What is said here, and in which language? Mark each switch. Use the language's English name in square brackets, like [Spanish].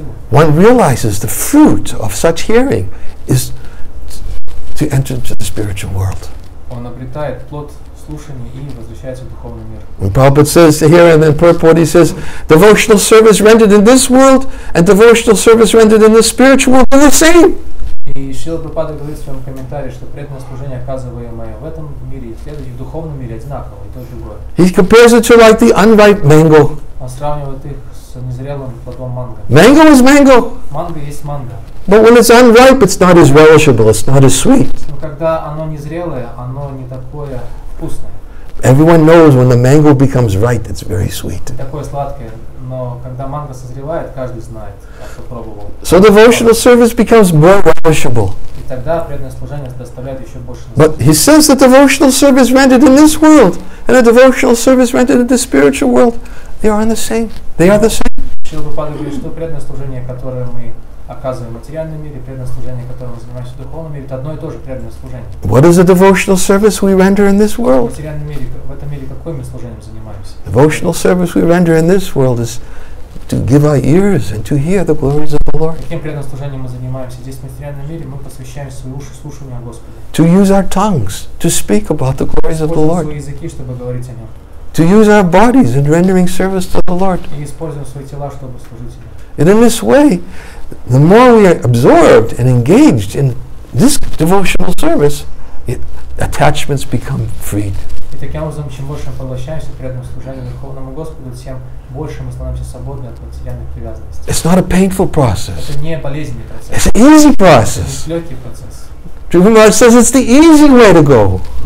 [English] One realizes the fruit of such hearing is to enter into the spiritual world. And Prabhupada says here and then purport, he says, devotional service rendered in this world and devotional service rendered in the spiritual world are the same. [Russian] И Шрила Прабхупада говорит в своем комментарии, что преданное служение, оказываемое в этом мире и в следующем, в духовном мире, одинаково, и то и другое. [English] He compares it to like the unripe mango. [Russian] Он сравнивает их с незрелым плодом манго. [English] Mango is mango. [Russian] Манго есть манго. [English] But when it's unripe, it's not as relishable, it's not as sweet. [Russian] Но когда оно незрелое, оно не такое вкусное. [English] Everyone knows when the mango becomes ripe, it's very sweet. [Russian] Такое сладкое. Но когда манго созревает, каждый знает, кто пробовал. [English] So devotional service becomes more relishable. [Russian] И тогда преданное служение доставляет еще больше. [English] But he says that devotional service rendered in this world and a devotional service rendered in the spiritual world, they are the same. They are the same. [Russian] Шрила Прабхупада говорит, что преданное служение, которое мы оказываем в материальном мире, преданное служение, которое мы занимаемся в духовном мире, это одно и то же преданное служение. [English] What is the devotional service we render in this world? [Russian] В материальном мире, в этом мире, какой мы служением занимаемся? [English] Devotional service we render in this world is to give our ears and to hear the glories of the Lord. [Russian] Каким преданным служением мы занимаемся здесь, в материальном мире, мы посвящаем свои уши слушанию Господа. [English] To use our tongues to speak about the glories of the Lord. [Russian] Используем свои языки, чтобы говорить о Нем. [English] To use our bodies in rendering service to the Lord. [Russian] И используем свои тела, чтобы служить Ему. [English] And in this way, the more we are absorbed and engaged in this devotional service, attachments become freed. [Russian] И таким образом, чем больше мы поглощаемся при этом служении Верховному Господу, тем больше мы становимся свободны от материальных привязанностей. [English] It's not a painful process. [Russian] Это не болезненный процесс. [English] It's an easy process. [Russian] Это не легкий процесс. [English] Guru Maharaj says it's the easy way to go.